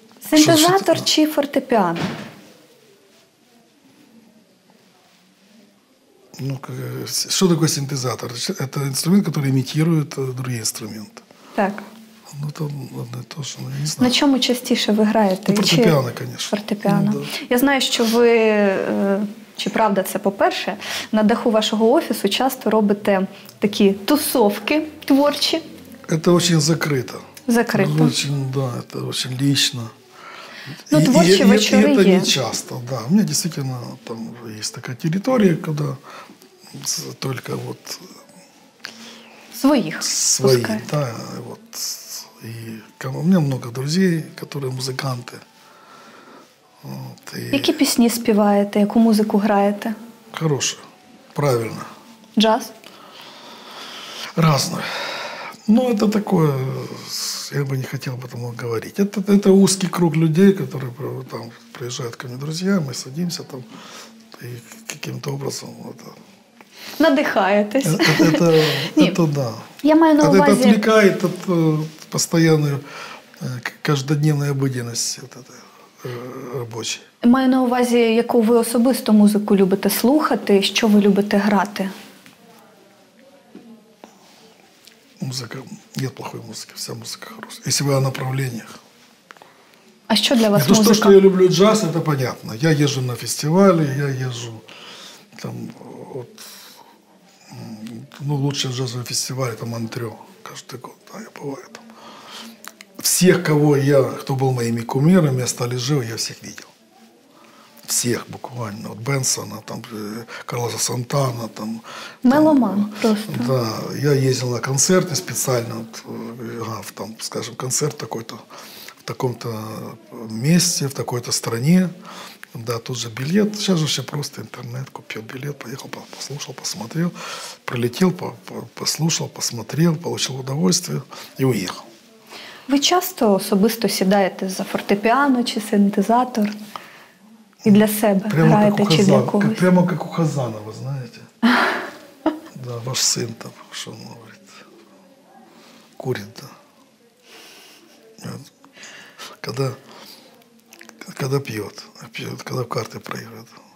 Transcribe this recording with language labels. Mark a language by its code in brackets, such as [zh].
[uk] Синтезатор чи фортепіано? [ru] Ну, что такое синтезатор? Это инструмент, который имитирует другие инструменты. Так. [uk] Ну, там, ладно, то, що, ну, не знаю. На чому частіше ви граєте? [ru] Ну, фортепіано, конечно. Фортепіано. Ну, да. [uk] Я знаю, що ви, чи правда це, по-перше, на даху вашого офісу часто робите такі тусовки творчі. Це дуже закрито. Закрито. Дуже, да, це дуже лично. Ну, творчі вечори є. І це не часто, да. У мене дійсно там є така територія, куди тільки от... Своїх свої, да, от. [ru] И у меня много друзей, которые музыканты. Вот, и... Какие песни спеваете, какую музыку играете? Хорошую, правильно. Джаз? Разную. Ну, это такое, я бы не хотел об этом говорить. Это узкий круг людей, которые там приезжают ко мне друзья, мы садимся там и каким-то образом... Это... [uk] Надихаєтесь. [ru] Это да. [uk] Я маю на увазі... [ru] Это отвлекает от постоянной, каждодневной обыденности рабочей. [uk] Маю на увазі, яку ви особисто музику любите слухати, що ви любите грати? Музика... [ru] Нет плохой музыки, вся музыка хороша. Если вы о направлениях. [uk] А що для вас [ru] музыка? Не то, что я люблю джаз, это понятно. Я езжу на фестивали, я езжу там от... Ну, лучший джазовый фестиваль, это Монтрё, каждый год, да, я бываю там. Всех, кого я, кто был моими кумирами, остались живы, я всех видел. Всех буквально, от Бенсона, там, Карлоса Сантана, там. Меломан просто. Да, я ездил на концерты специально, вот, там, скажем, концерт такой-то, в таком-то месте, в такой-то стране. Да, тут же билет. Сейчас же все просто интернет. Купил билет, поехал, послушал, посмотрел. Прилетел, послушал, посмотрел, получил удовольствие и уехал. [uk] Вы часто особисто сідаєте за фортепиано чи синтезатор? [ru] И для себя прямо [uk] граєте чи для когось? [ru] Прямо как у Хазанова, знаете? Да, ваш сын там, что он говорит? Курит, да. Когда пьет. Пьет, когда в карты проигрывает.